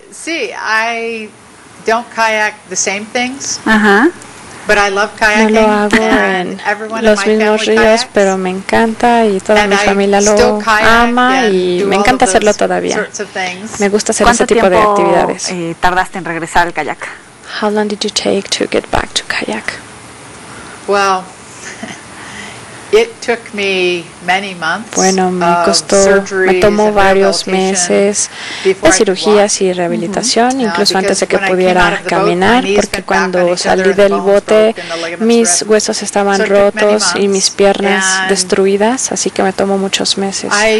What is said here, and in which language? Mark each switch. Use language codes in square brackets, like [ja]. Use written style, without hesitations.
[en] Sí, I don't kayak the same things. Ajá. But I love kayaking. [es] No lo hago en los mismos ríos, pero me encanta y toda mi familia lo ama y me encanta hacerlo todavía. Me gusta hacer ese tipo de actividades. ¿Cuánto tiempo tardaste en regresar al kayak? [en] How long did you take to get back to kayak? Well, it took me many months. [es] Bueno, me tomó varios meses de cirugías y rehabilitación, incluso antes de que pudiera caminar, porque cuando salí del bote mis huesos estaban rotos y mis piernas destruidas, así que me tomó muchos meses.